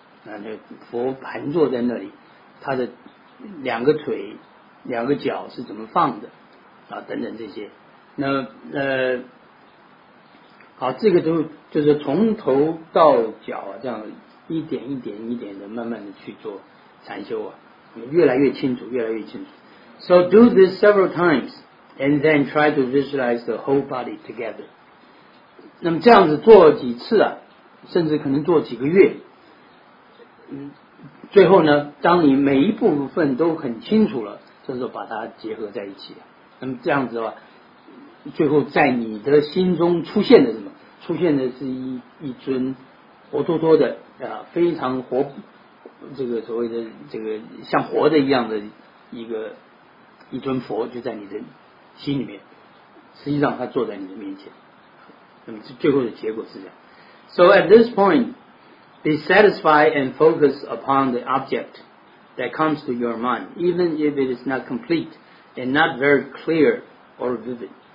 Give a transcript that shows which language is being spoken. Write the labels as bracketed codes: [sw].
[zh] 那佛盘坐在那里，他的两个腿、两个脚是怎么放的啊？等等这些。那好，这个都就是从头到脚啊，这样一点一点一点的慢慢的去做禅修啊，越来越清楚，越来越清楚。 [en] So do this several times, and then try to visualize the whole body together. [zh] 那么这样子做几次啊，甚至可能做几个月。最后呢，当你每一部分都很清楚了，这时候把它结合在一起。那么这样子的话，最后在你的心中出现的什么？出现的是一尊活脱脱的啊，非常活，这个所谓的这个像活的一样的一尊佛，就在你的心里面。实际上，他坐在你的面前。那么最后的结果是这样。 [en] So at this point. Be satisfied and focus upon the object that comes to your mind, even if it is not complete and not very clear or vivid.